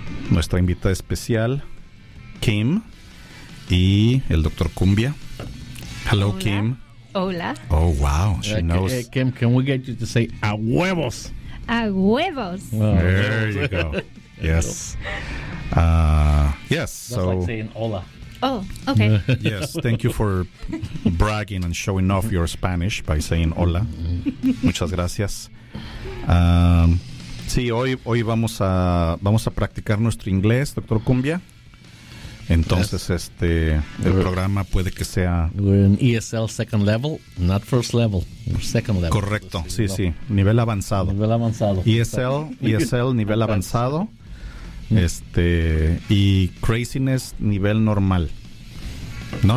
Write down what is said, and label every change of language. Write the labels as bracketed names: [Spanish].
[Spanish] Nuestra invitada especial, Kim, y el doctor Cumbia. [English] Hello. [Spanish] Hola. [English] Kim. [Spanish] Hola. [English] Oh, wow. She knows. Hey, Kim, can we get you to say a huevos? [Spanish] A huevos. [English] Wow. There you go. Yes. Yes. That's so, like saying hola. Oh, okay. Yes. Thank you for bragging and showing off your Spanish by saying hola. [Spanish] Muchas gracias. Sí, hoy vamos a practicar nuestro inglés, doctor Cumbia. Entonces, yes. El programa puede que sea... [English] We're in ESL second level, not first level, second level. [Spanish] Correcto, so, sí, no. Sí, nivel avanzado. Nivel avanzado. ESL nivel avanzado, y craziness nivel normal. ¿No?